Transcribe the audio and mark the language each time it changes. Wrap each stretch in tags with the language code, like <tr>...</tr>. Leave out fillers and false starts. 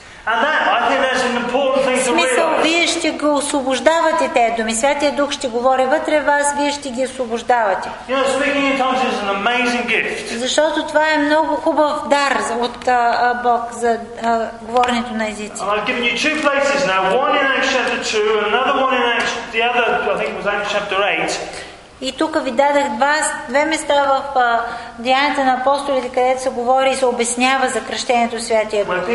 <en>And that, I think that's an important thing to realize.</en> <bg>Смисъл, вие ще го освобождавате тези думи. Святия Дух ще говори вътре вас, вие ще ги освобождавате.</bg> <en>You know, speaking in tongues is an amazing gift.</en> <bg>Защото това е много хубав дар от Бог за говоренето на езици.</bg> <en>I've given you two places now. One in Acts chapter 2 and another one in Acts, the other, I think was Acts chapter 8.</en> <bg>И тук ви дадах две места в Деянията на апостолите, където се говори и се обяснява за кръщението в Святия Дух.</bg>